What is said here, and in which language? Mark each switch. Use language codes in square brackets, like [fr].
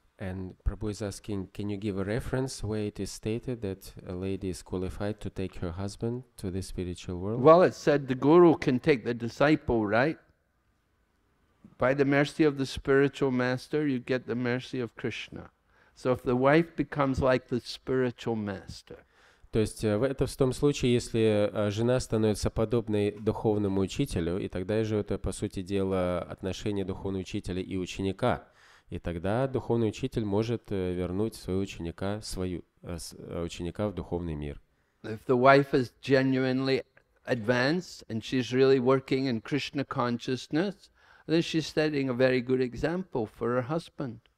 [en] And Prabhu is asking, can you give a reference where it is stated that a lady is qualified to take her husband to the spiritual world? Well, it said the guru can take the disciple, right? By the mercy of the spiritual master, you get the mercy of Krishna. So if the wife becomes like the spiritual master. [ru] То есть это в том случае, если жена становится подобной духовному учителю, и тогда же это, по сути дела, отношение духовного учителя и ученика. И тогда духовный учитель может вернуть своего ученика, свою, ученика в духовный мир. [en] If the wife is genuinely advanced and she's really working in Krishna consciousness, then she's setting a very good example for her husband.